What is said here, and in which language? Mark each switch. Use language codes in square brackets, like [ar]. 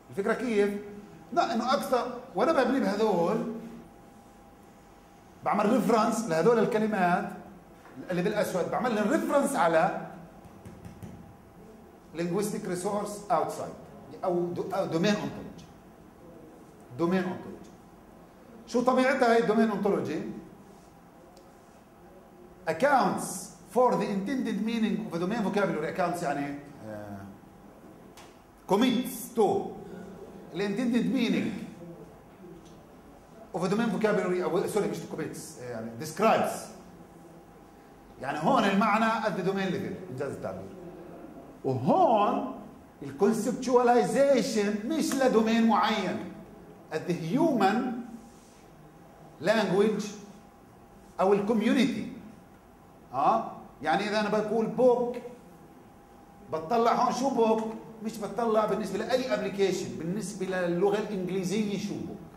[ar] الفكره كيف؟ لا انه اكثر وانا ببني بهذول بعمل ريفرنس لهذول الكلمات اللي بالاسود، بعمل لهم ريفرنس على [en] linguistic resource outside [ar] او دومين اونتولوجي. دومين اونتولوجي شو طبيعتها هي الدومين اونتولوجي؟ [en] accounts for the intended meaning of a domain vocabulary accounts يعني commits to the intended meaning of a domain vocabulary sorry مش commits يعني describes [ar] يعني هون المعنى [en] at the domain level [ar] انجاز التعبير. وهون ال conceptualization مش لدومين معين [en] at the human language [ar] او ال community. يعني اذا انا بقول بوك بتطلع هون شو بوك؟ مش بتطلع بالنسبه لاي ابلكيشن، بالنسبه للغه الانجليزيه شو بوك.